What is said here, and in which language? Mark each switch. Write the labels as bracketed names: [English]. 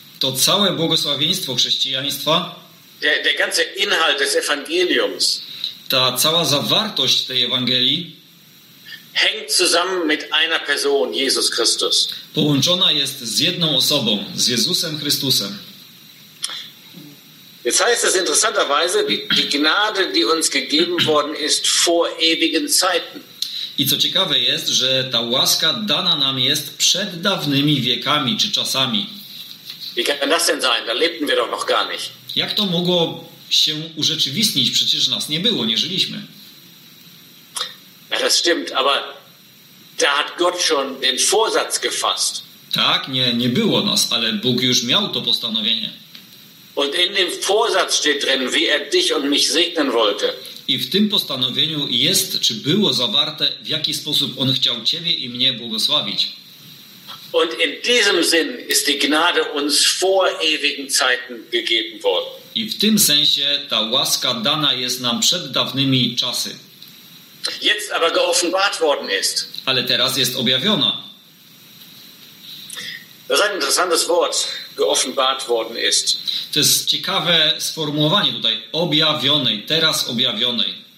[Polish] To całe błogosławieństwo chrześcijaństwa. [German] Der ganze Inhalt des Evangeliums. [Polish] Ta cała zawartość tej Ewangelii. [German] Hängt zusammen mit einer Person, Jesus Christus. [Polish] Połączona jest z jedną osobą, z Jezusem Chrystusem. [German] Jetzt heißt es interessanterweise, die Gnade, die uns gegeben worden ist vor ewigen Zeiten. [Polish] I co ciekawe jest, że ta łaska dana nam jest przed dawnymi wiekami czy czasami. [German] Wie kann das denn sein? Da lebten wir doch noch gar nicht. [Polish] Jak to mogło się urzeczywistnić? Przecież nas nie było, nie żyliśmy. [German] Ja, das stimmt, aber da hat Gott schon den Vorsatz gefasst. [Polish] Tak, nie było nas, ale Bóg już miał to postanowienie. [German] Und in dem Vorsatz steht drin, wie er dich und mich segnen wollte. [Polish] I w tym postanowieniu jest, czy było zawarte, w jaki sposób on chciał ciebie i mnie błogosławić. [German] Und in diesem Sinn ist die Gnade uns vor ewigen Zeiten gegeben worden. [Polish] I w tym sensie ta łaska dana jest nam przed dawnymi czasy. [German] Jetzt aber geoffenbart worden ist. [Polish] Ale teraz jest objawiona. [German] Das ist ein interessantes Wort, geoffenbart worden ist. [Polish] To jest ciekawe sformułowanie tutaj, objawionej, teraz objawionej.